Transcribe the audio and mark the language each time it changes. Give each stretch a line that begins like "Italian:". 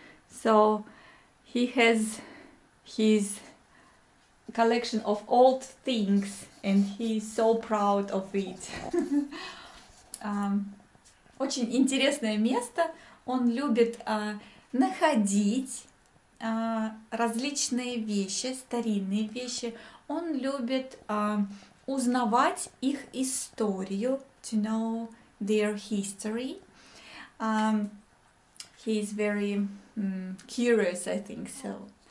English: So he has his collection of old things and he is so proud of it.
Russian: Очень интересное место. Он любит находить различные вещи, старинные вещи. Он любит узнавать их историю.
English: To know their history. He is very curious, I think so.